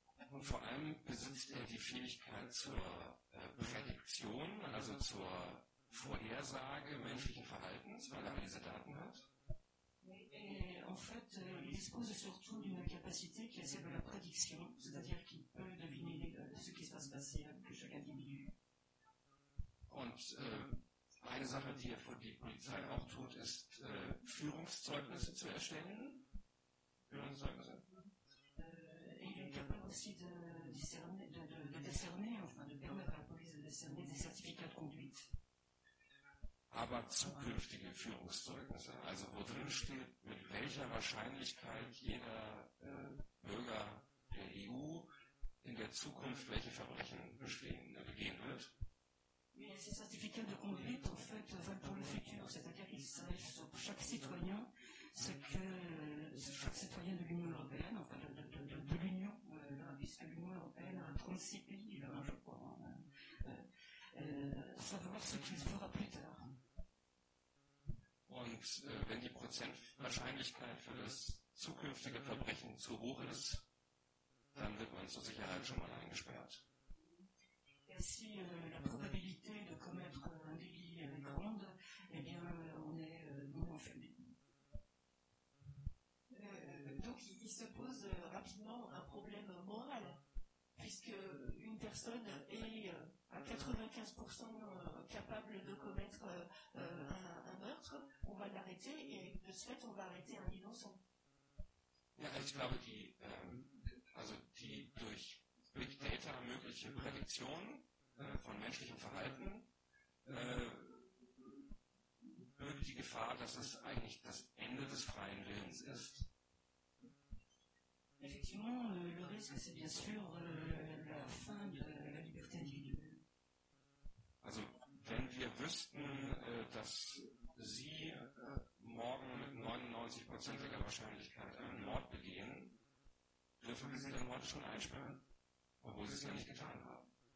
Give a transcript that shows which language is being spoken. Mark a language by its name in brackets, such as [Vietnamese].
[German] Und vor allem besitzt er die Fähigkeit zur Prädiktion, also zur Vorhersage menschlichen Verhaltens, weil er diese Daten hat. [French] En fait, il dispose surtout d'une capacité qui est celle de la prédiction, c'est-à-dire qu'il peut deviner ce qui va se passer avec chaque individu. [German] Und eine Sache, die er für die Polizei auch tut, ist Führungszeugnisse zu erstellen. Führungszeugnisse. [French] Il est capable aussi de décerner, enfin de permettre à la police de décerner des certificats de conduite. [German] Aber zukünftige Führungszeugnisse, also wo drin steht, mit welcher Wahrscheinlichkeit jeder Bürger der EU in der Zukunft welche Verbrechen begehen wird. [French] Ces certificats de conduite, en fait, valent pour le futur, c'est-à-dire qu'ils savent sur chaque citoyen ce que chaque citoyen de l'Union européenne, enfin de l'Union, puisque l'Union européenne a 36 pays, je crois, savoir ce qu'il fera plus tard. [German] Und wenn die Prozentwahrscheinlichkeit für das zukünftige Verbrechen zu hoch ist, dann wird man zur Sicherheit schon mal eingesperrt. [French] Et si la probabilité de commettre un délit est grande, eh bien, on est enfermé. Donc, il se pose rapidement un problème moral, puisque une personne est à 95% capable de commettre un meurtre, on va l'arrêter et de ce fait on va arrêter un innocent. [German] Ja, ich glaube, die durch Big Data mögliche Prädiktion von menschlichem Verhalten birgt die Gefahr, dass es eigentlich das Ende des freien Willens ist. [French] Effectivement, le risque, c'est bien sûr la fin de la liberté individuelle. [German] Also, wenn wir wüssten, dass Sie morgen mit 99%iger Wahrscheinlichkeit einen Mord begehen, dürfen wir Sie dann morgen schon einsperren, obwohl Sie es ja nicht getan haben.